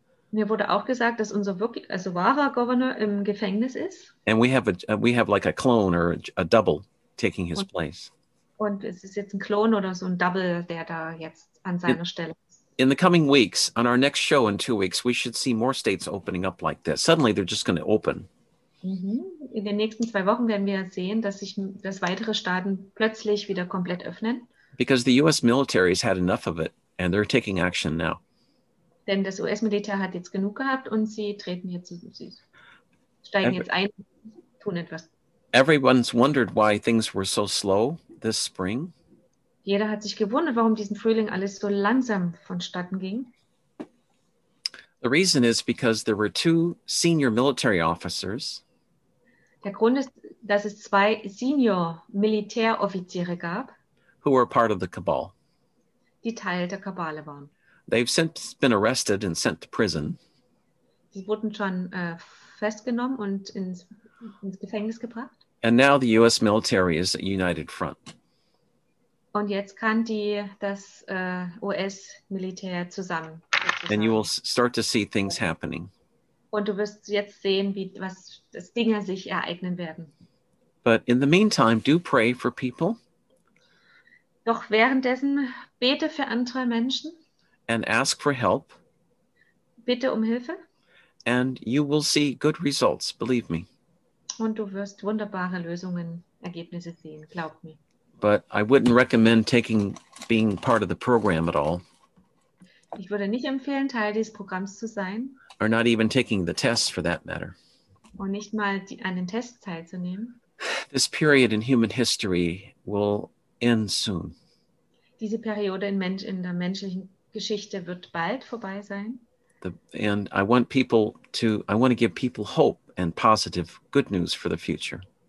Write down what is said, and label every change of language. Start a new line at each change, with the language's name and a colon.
German: Mir wurde auch gesagt, dass unser wahrer Governor im Gefängnis ist.
English: And we have like a clone or a double taking his place.
German: Und es ist jetzt ein Klon oder so ein Double, der da jetzt an seiner Stelle ist.
English: In the coming weeks, on our next show in 2 weeks, we should see more states opening up like this. Suddenly they're just going to open.
German: In den nächsten 2 Wochen werden wir sehen, dass weitere Staaten plötzlich wieder komplett öffnen.
English: Because the US military has had enough of it and they're taking action now.
German: Denn das US-Militär hat jetzt genug gehabt und sie treten jetzt, sie steigen jetzt ein, tun etwas.
English: Everyone's wondered why things were so slow this spring.
German: Jeder hat sich gewundert, warum diesen Frühling alles so langsam vonstatten ging.
English: The reason is because there were two senior military officers.
German: Der Grund ist, dass es zwei senior Militäroffiziere gab,
English: who were part of the cabal.
German: Die Teil der Kabale waren.
English: They've since been arrested and sent to prison.
German: Sie wurden schon festgenommen und ins Gefängnis gebracht.
English: And now the US military is at united front.
German: Und jetzt kann das US-Militär zusammen.
English: And you will start to see things happening.
German: Und du wirst jetzt sehen, dass Dinge sich ereignen werden.
English: But in the meantime, do pray for people.
German: Doch währenddessen bete für andere Menschen.
English: And ask for help.
German: Bitte um Hilfe.
English: And you will see good results, believe me.
German: Und du wirst wunderbare Lösungen, Ergebnisse sehen, glaub mir.
English: But I wouldn't recommend being part of the program at all.
German: Ich würde nicht empfehlen, Teil dieses Programms zu sein.
English: Or not even taking the test for that matter.
German: Und nicht mal einen Test teilzunehmen.
English: This period in human history will end soon.
German: Diese Periode in der menschlichen Geschichte wird bald vorbei sein.
English: And I want to give people hope and positive good news for the future.